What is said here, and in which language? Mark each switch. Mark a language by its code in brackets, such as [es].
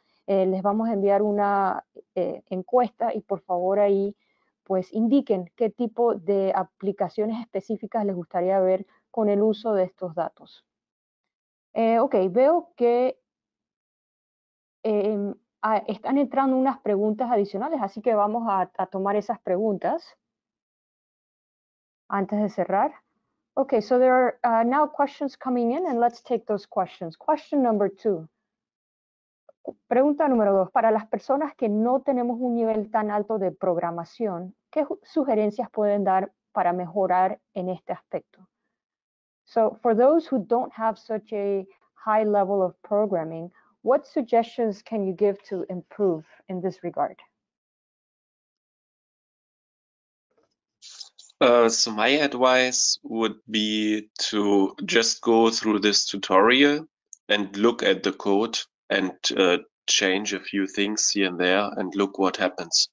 [es] Les vamos a enviar una encuesta y por favor ahí pues indiquen qué tipo de aplicaciones específicas les gustaría ver con el uso de estos datos. Ok, veo que están entrando unas preguntas adicionales, así que vamos a tomar esas preguntas antes de cerrar. [en] Okay, so there are now questions coming in and let's take those questions. Question number two. [es] Pregunta número dos. Para las personas que no tenemos un nivel tan alto de programación, ¿qué sugerencias pueden dar para mejorar en este aspecto? [en] So for those who don't have such a high level of programming, what suggestions can you give to improve in this regard? So my advice would be to just go through this tutorial and look at the code and change a few things here and there and look what happens.